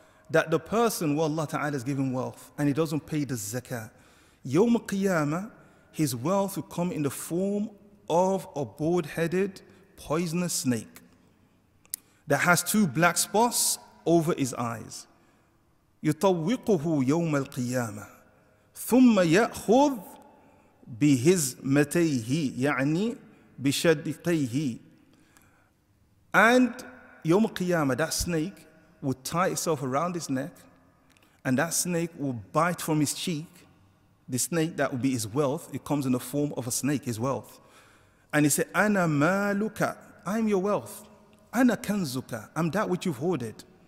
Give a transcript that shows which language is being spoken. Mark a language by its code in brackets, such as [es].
[en] That the person who Allah ta'ala has given wealth and he doesn't pay the zakah, يَوْمَ الْقِيَامَةِ, his wealth will come in the form of a bald-headed, poisonous snake. that has two black spots over his eyes. [ar] يطوقه يوم القيامة ثم يأخذ بهزمتيه يعني بشدقيه. [en] And يوم القيامة, that snake would tie itself around his neck, and that snake will bite from his cheek. The snake that will be his wealth, it comes in the form of a snake, his wealth. And he said, [ar] أنا مالك, [en] I'm your wealth. [ar] أنا كنزك, [en] I'm that which you've hoarded.